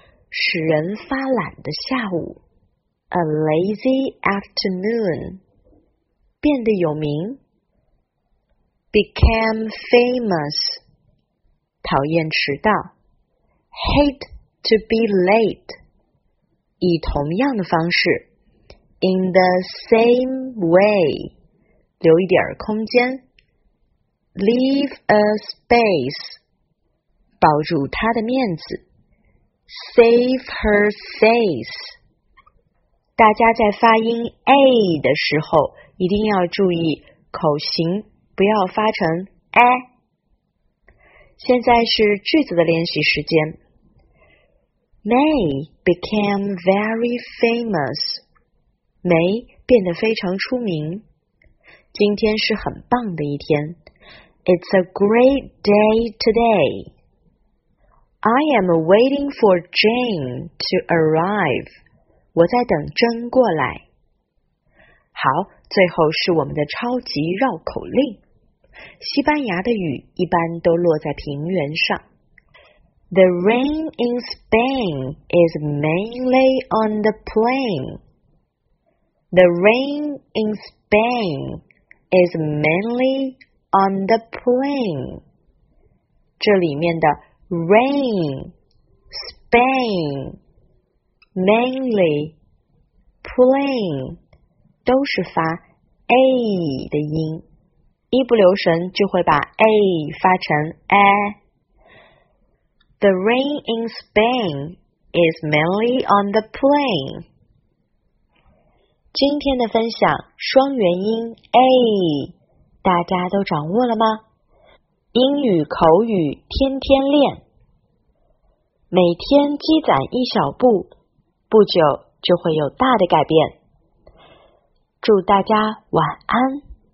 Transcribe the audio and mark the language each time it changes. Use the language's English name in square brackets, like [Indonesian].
[Chinese] 使人发懒的下午 ， [English] a lazy afternoon， [Chinese] 变得有名 ， [English] became famous， [Chinese] 讨厌迟到 ， [English] hate to be late， [Chinese] 以同样的方式 ， [English] in the same way， [Chinese] 留一点空间 ， [English] leave a space。 [Chinese] 保住她的面子 ， [English] save her face。 [Chinese] 大家在发音 a 的时候，一定要注意口型，不要发成 a。现在是句子的练习时间。 [English] May became very famous。 [Chinese] May 变得非常出名。今天是很棒的一天。 [English] It's a great day today. I am waiting for Jane to arrive. [Chinese] 我在等珍过来。好，最后是我们的超级绕口令。西班牙的雨一般都落在平原上。 [English] The rain in Spain is mainly on the plain. The rain in Spain is mainly on the plain. [Chinese] 这里面的Rain, Spain, mainly, plain, 都是发 a 的音，一不留神就会把 a 发成 a。 [English] The rain in Spain is mainly on the plain. [Chinese] 今天的分享双元音 a， 大家都掌握了吗？英语口语天天练。每天积攒一小步，不久就会有大的改变。祝大家晚安。